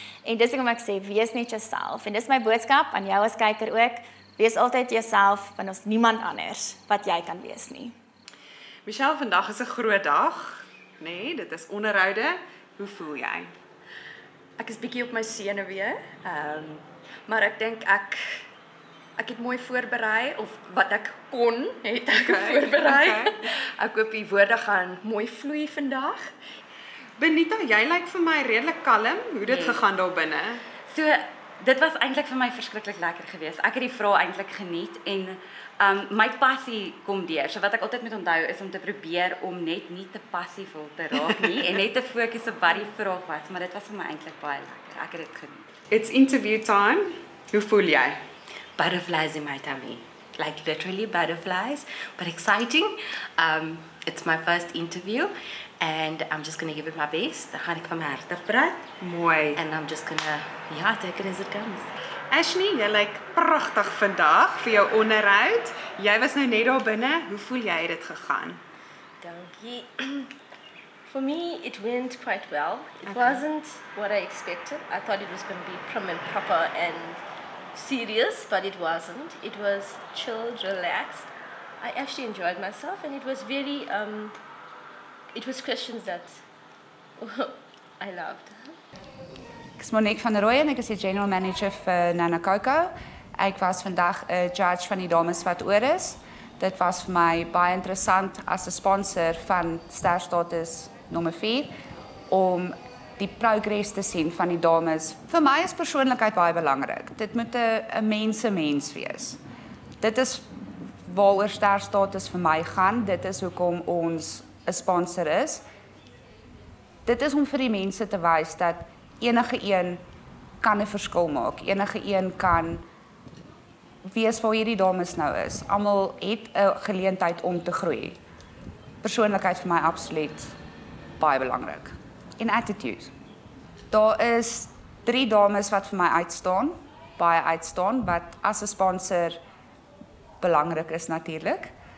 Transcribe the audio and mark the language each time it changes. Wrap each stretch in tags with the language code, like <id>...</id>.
<af>En dis hoekom ek sê wees net jouself en dis my boodskap aan jou as kyker ook. Wees altyd jouself want ons niemand anders wat jy kan wees nie. Michelle, vandag is 'n groot dag, nê? Nee, dit is onderhoude. Hoe voel jy? Ek is bietjie op my senuwee. Maar ek dink ek het mooi voorberei of wat ek kon het ek voorberei. Okay. Ek hoop die woorde gaan mooi vloei vandag. Benita, jy lyk vir my redelik kalm. Hoe dit gegaan daar binne? So dit was eintlik vir my verskriklik lekker geweest. Ek het die vrae eintlik geniet en my passie kom deur. So wat ek altyd moet onthou is om te probeer om net nie te passiefvol te raak nie en net te fokus op wat die vraag was, maar dit was vir my eintlik baie lekker. Ek het dit geniet.</af> <en>It's interview time.</en> <af>Hoe voel jy?</af> <en>Butterflies in my tummy. Like literally butterflies, but exciting. It's my first interview and I'm just going to give it my best.</en> <af>Gaan ek van my hart af praat. Mooi.</af> <en>And I'm just going to take it as it comes.</en> <af>Ashley, jy lyk pragtig vandag vir jou onderhoud. Jy was nou net daar binne. Hoe voel jy het dit gegaan? Dankie.</af> <en>For me, it went quite well. It wasn't what I expected. I thought it was going to be prim and proper and serious, but it wasn't. It was chilled, relaxed. I actually enjoyed myself, and it was very, it was questions that I loved.</en> <af>Ek is Monique van der Rooij en ek is die</af> <en>General Manager for</en> <af>Nana Coco. Ek was vandag</af> <en>a judge</en> <af>van die dames wat oor is. Dit was vir my baie interessant</af> <en>as a sponsor</en> <af>van SterStatus nommer 4 om die progress te sien van die dames. Vir my is persoonlikheid baie belangrik. Dit moet 'n mense mens wees. Dit is waaroor SterStatus vir my gaan. Dit is hoekom ons 'n sponsor is. Dit is om vir die mense te wys dat enige een kan 'n verskil maak. Enige een kan wees waar hierdie dames nou is. Almal het 'n geleentheid om te groei. Persoonlikheid vir my absoluut baie belangrik. En attitude. Daar is 3 dames wat vir my uitstaan, baie uitstaan, wat as 'n sponsor belangrik is natuurlik.</af>